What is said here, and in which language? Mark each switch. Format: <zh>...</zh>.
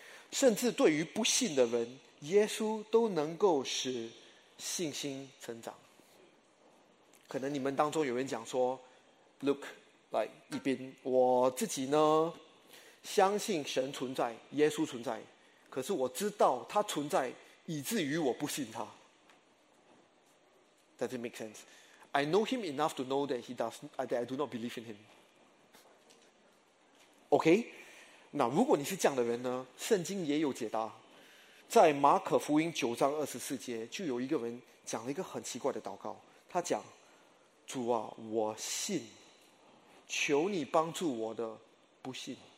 <zh>甚至对于不信的人，耶稣都能够使信心成长。可能你们当中有人讲说 Look 来一边，我自己呢相信神存在，耶稣存在，可是我知道他存在以至于我不信他。</zh> <en>Does it make sense? I know him enough to know that I do not believe in him.</en> <zh>那如果你是这样的人呢，圣经也有解答。在马可福音9:24，就有一个人讲了一个很奇怪的祷告，他讲：主啊，我信，求你帮助我的不信。</zh>